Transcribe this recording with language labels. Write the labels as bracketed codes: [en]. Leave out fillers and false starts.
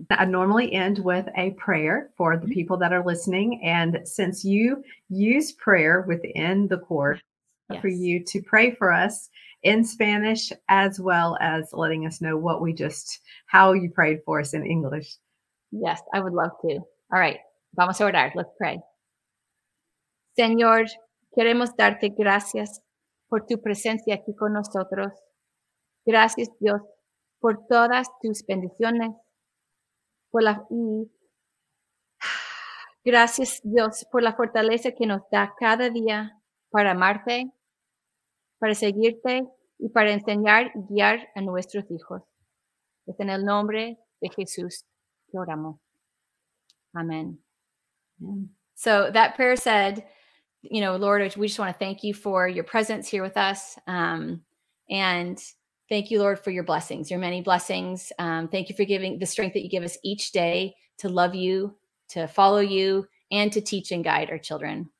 [en] I normally end with a prayer for the people that are listening. And since you use prayer within the course, for you to pray for us in Spanish, as well as letting us know how you prayed for us in English. Yes, I would love to. All right. [es] Vamos a orar. [en] Let's pray. [es] Señor, queremos darte gracias por tu presencia aquí con nosotros. Gracias, Dios, por todas tus bendiciones. Gracias, Dios, por la fortaleza que nos da cada día para amarte, para seguirte y para enseñar y guiar a nuestros hijos. Es en el nombre de Jesús que oramos. Amén. [en] So that prayer said, you know, Lord, we just want to thank you for your presence here with us. And thank you, Lord, for your blessings, your many blessings. Thank you for giving the strength that you give us each day to love you, to follow you, and to teach and guide our children.